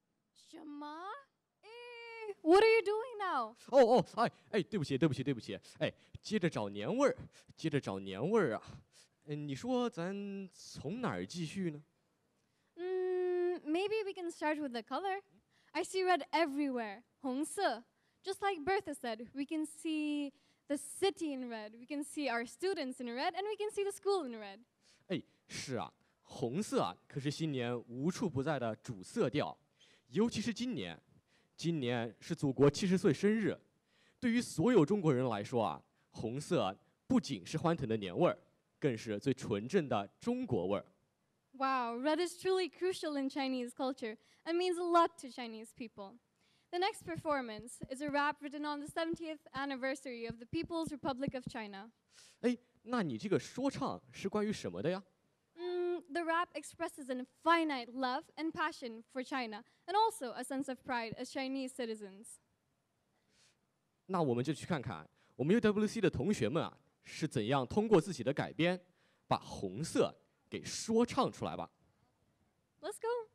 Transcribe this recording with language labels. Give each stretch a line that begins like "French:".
Chinese: 什么？
English: What are you doing now?
Chinese: 哎，对不起，哎，接着找年味儿啊，你说咱从哪儿继续呢？
English: Maybe we can start with the color. I see red everywhere, 红色 Just like Bertha said, we can see the city in red, we can see our students in red, and we can see the school in red.
Chinese: 哎，是啊，红色啊，可是新年无处不在的主色调，尤其是今年。今年是祖国70岁生日，对于所有中国人来说啊，红色不仅是欢腾的年味儿，更是最纯正的中国味儿。
English: Wow, red is truly crucial in Chinese culture and means a lot to Chinese people. The next performance is a rap written on the 70th anniversary of the People's Republic of China.
Chinese: 哎，那你这个说唱是关于什么的呀？
English: The rap expresses an infinite love and passion for China, and also a sense of pride as Chinese citizens.
Chinese: 那我们就去看看，我们 UWC 的同学们啊，是怎样通过自己的改编，把红色给说唱出来吧。
English: Let's go.